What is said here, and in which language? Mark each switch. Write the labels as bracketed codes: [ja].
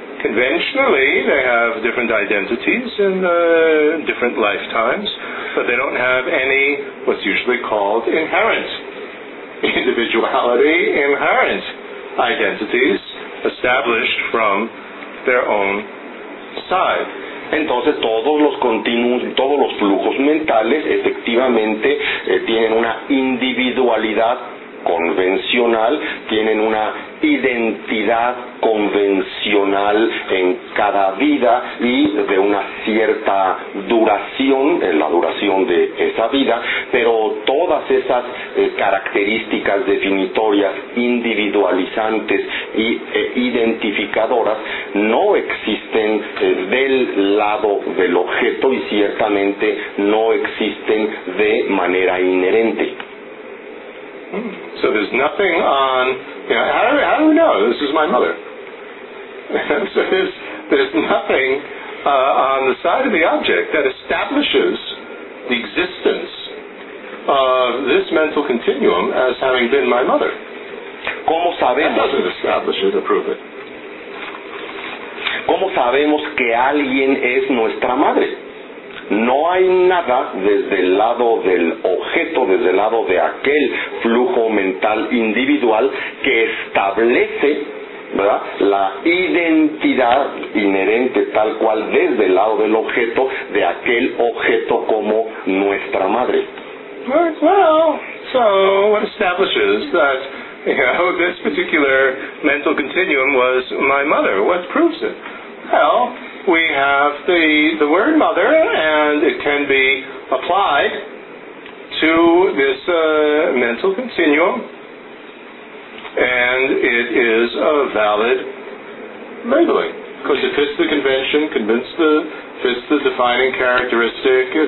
[en] Conventionally they have different identities in different lifetimes. but they don't have any what's usually called inherent individuality, inherent identities established from their own side. [es] Entonces todos los continuos, todos los flujos mentales efectivamente tienen una individualidad convencional, tienen una identidad convencional en cada vida y de una cierta duración, en la duración de esa vida, pero todas esas características definitorias, individualizantes y identificadoras no existen del lado del objeto y ciertamente no existen de manera inherente. [en] So there's nothing on, you know, how do we know? This is my mother. So there's nothing on the side of the object that establishes the existence of this mental continuum as having been my mother. [es] ¿Cómo sabemos? [en] That doesn't establish it or prove it. [es] ¿Cómo sabemos que alguien es nuestra madre? No hay nada desde el lado del objeto, desde el lado de aquel flujo mental individual que establece, ¿verdad?, la identidad inherente tal cual desde el lado del objeto, de aquel objeto como nuestra madre. [en] Well, so what establishes that, you know, this particular mental continuum was my mother? What proves it? Well, we have the word mother, and it can be applied to this mental continuum, and it is a valid labeling because it fits the convention, fits the defining characteristic.